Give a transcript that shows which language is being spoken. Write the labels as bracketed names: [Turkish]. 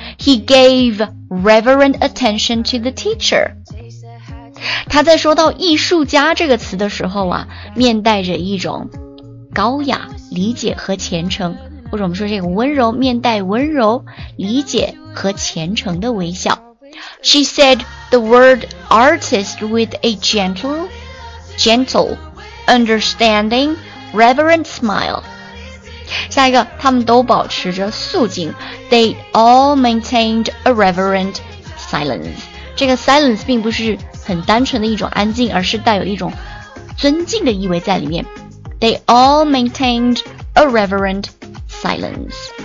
[English] He gave reverent attention to the teacher。 [Chinese] 他在说到艺术家这个词的时候啊，面带着一种高雅、理解和虔诚，或者我们说这个温柔，面带温柔、理解和虔诚的微笑。 [English] She said the word artist with a gentle, gentle, understanding, reverent smile. [Chinese] 下一个，他们都保持着肃静。 [English] They all maintained a reverent silence. [Chinese] 这个 silence 并不是很单纯的一种安静，而是带有一种尊敬的意味在里面。 [English] They all maintained a reverent silence.